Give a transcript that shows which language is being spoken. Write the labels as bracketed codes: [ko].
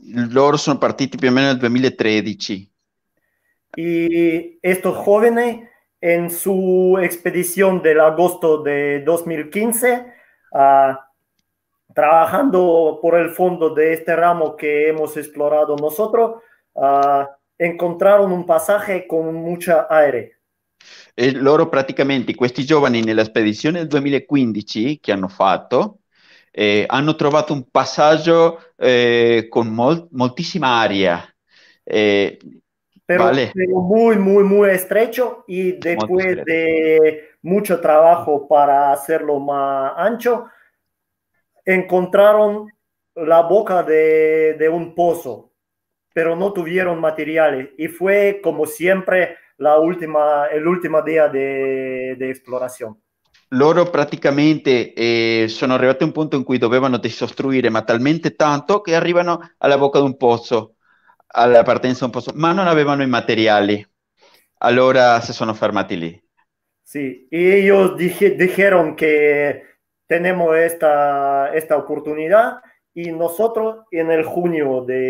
[it] Loro sono partiti più o meno nel 2013. [es] Y estos jóvenes en su expedición del agosto de 2015 trabajando por el fondo de este ramo que hemos explorado nosotros, encontraron un pasaje con mucho aire. [it] E loro praticamente, questi giovani nella spedizione del 2015 che hanno fatto, hanno trovato un passaggio con moltissima aria. Però [es] vale. [it] Molto, molto, molto stretto e dopo di molto lavoro per farlo più [es] ancho, encontraron la boca de un pozo, pero no tuvieron materiales y fue como siempre el último día de exploración. [it] Loro praticamente sono arrivati a un punto in cui dovevano disostruire, ma talmente tanto che arrivano alla boca di un pozzo, alla partenza di un pozzo, ma non avevano i materiali, allora si sono fermati lì. Sì, e io [es] dijeron [it] che abbiamo questa opportunità e noi nel giugno